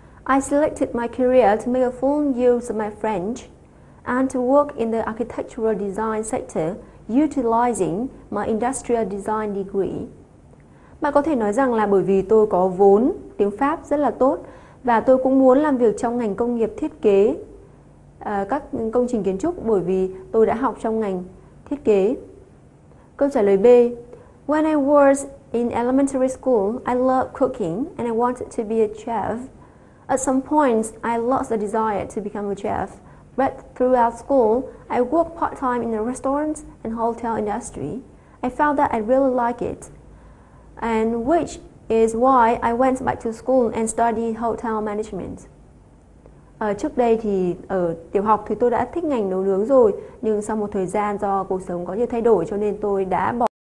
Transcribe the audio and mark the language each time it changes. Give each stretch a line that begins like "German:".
English: I selected my career to make a full use of my French and to work in the architectural design sector utilizing my industrial design degree.
Vietnamese: Bạn có thể nói rằng là bởi vì tôi có vốn tiếng Pháp rất là tốt và tôi cũng muốn làm việc trong ngành công nghiệp thiết kế các công trình kiến trúc bởi vì tôi đã học trong ngành thiết kế. Câu trả lời B.
English: When I was in elementary school, I loved cooking and I wanted to be a chef. At some point, I lost the desire to become a chef, but throughout school, I worked part-time in the restaurants and hotel industry. I found that I really like it, and which is why I went back to school and studied hotel management.
Vietnamese: Trước đây thì ở tiểu học thì tôi đã thích ngành nấu nướng rồi, nhưng sau một thời gian do cuộc sống có nhiều thay đổi cho nên tôi đã bỏ.